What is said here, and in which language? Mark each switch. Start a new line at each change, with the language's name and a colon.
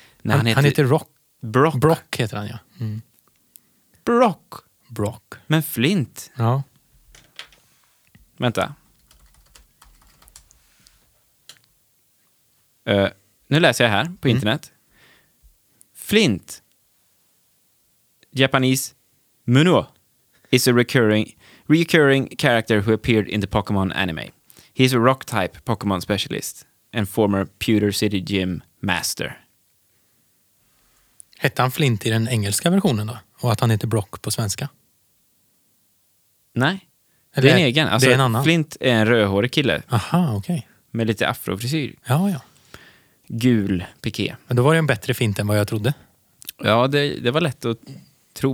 Swedish: Nej, han heter Rock. Brock. Brock heter han, ja. Mm. Brock. Brock. Men Flint. Ja. Vänta. Nu läser jag här på internet.
English: Flint, Japanese Munuo, is a recurring character who appeared in the Pokemon anime. He's a rock type Pokemon specialist and former Pewter City Gym master.
Swedish: Hette han Flint i den engelska versionen då? Och att han heter Brock på svenska? Nej. Eller, det är en egen. Alltså, det är en annan. Flint är en rödhårig kille. Aha, okej.
English: Okay.
Swedish: Med lite afrofrisyr. Ja, ja. Gul piqué. Men då var det en bättre fint än vad jag trodde. Ja, det var lätt att tro.